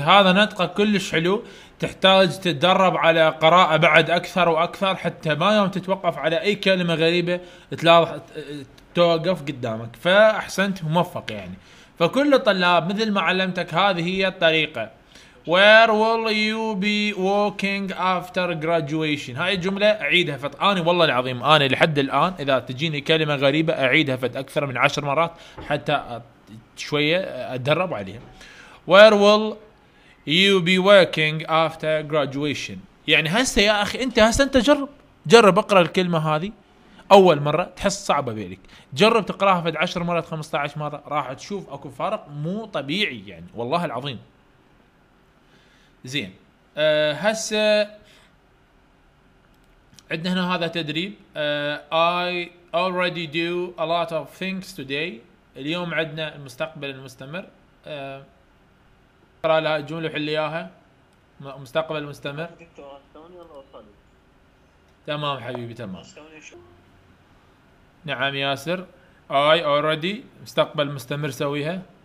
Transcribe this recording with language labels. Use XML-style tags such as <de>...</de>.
<ar>هذا نطق كلش حلو، تحتاج تتدرب على قراءة بعد اكثر واكثر حتى ما يوم تتوقف على اي كلمة غريبة تلاحظ توقف قدامك. فاحسنت وموفق يعني. فكل الطلاب مثل ما علمتك هذه هي الطريقة،</ar> <en>Where will you be working after graduation?</en> <ar>هاي الجملة عيدها فت أنا والله العظيم أنا لحد الآن إذا تجيني كلمة غريبة أعيدها فت أكثر من 10 مرات حتى شوية أتدرب عليها.</ar> <en>Where will you be working after graduation؟</en> <ar>يعني هسه يا أخي أنت هسه أنت جرب أقرأ الكلمة هذه أول مرة تحس صعبة بيلك، جرب تقرأها فت 10 مرات 15 مرة راح تشوف أكو فارق مو طبيعي يعني والله العظيم. زين هسه عندنا هنا هذا تدريب</ar> <en>I already do a lot of things today.</en> <ar>اليوم عندنا المستقبل المستمر قرأ لها الجملة وحل إياها مستقبل مستمر. تمام حبيبي تمام نعم ياسر</ar> <en>I already</en> <ar>مستقبل مستمر سويها</ar>